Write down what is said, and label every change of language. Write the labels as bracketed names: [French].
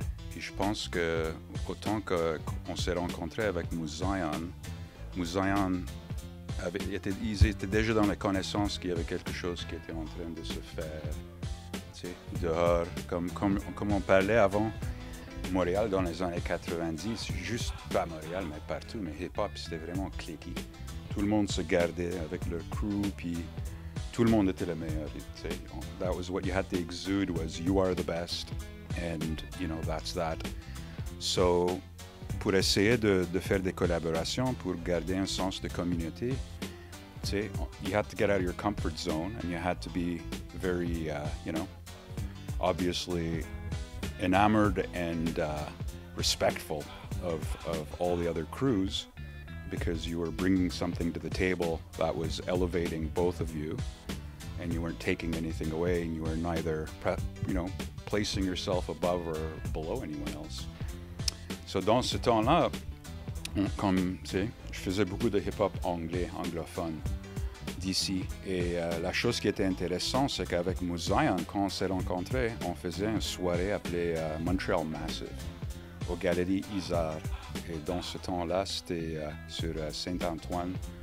[French] Puis je pense que autant qu'on s'est rencontré avec Muzion ils étaient déjà dans la connaissance qu'il y avait quelque chose qui était en train de se faire, tu sais, dehors, comme on parlait avant. Montréal dans les années 90, juste pas Montréal, mais partout, mais hip-hop, c'était vraiment cliqué. Tout le monde se gardait avec leur crew, puis tout le monde était le meilleur. [English] That was what you had to exude, was you are the best, and you know, that's that. So, [French] pour essayer de faire des collaborations, pour garder un sens de communauté, tu sais, [English] you had to get out of your comfort zone, and you had to be very, you know, obviously, enamored and respectful of all the other crews, because you were bringing something to the table that was elevating both of you, and you weren't taking anything away, and you were neither placing yourself above or below anyone else. [French] So dans ce temps-là, comme tu sais, je faisais beaucoup de hip-hop anglais, anglophone d'ici, et la chose qui était intéressante, c'est qu'avec Muzion, quand on s'est rencontrés, on faisait une soirée appelée Montreal Massive au Galerie Isard. Et dans ce temps-là, c'était sur Saint-Antoine,